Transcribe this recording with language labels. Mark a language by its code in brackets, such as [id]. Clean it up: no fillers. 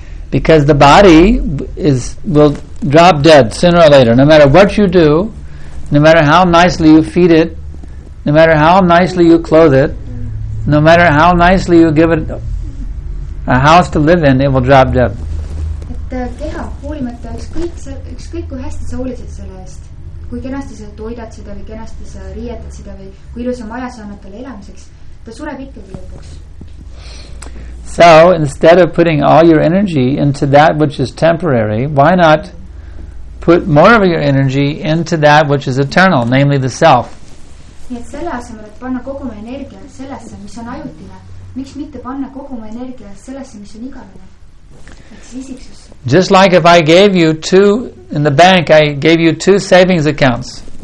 [en] Because the body will drop dead sooner or later. No matter what you do, no matter how nicely you feed it, no matter how nicely you clothe it, no matter how nicely you give it a house to live in, it will drop dead. [et] Et keha hoolimata, ükskõik kui hästi sa hoolitsed selle eest, kui kenasti sa toidad seda või kenasti sa riietad seda või kui ilus on maja saanud talle elamiseks, ta sureb ikkagi lõpuks. [en] So, instead of putting all your energy into that which is temporary, why not put more of your energy into that which is eternal, namely the self? Just like if I gave you two, in the bank, I gave you two savings accounts.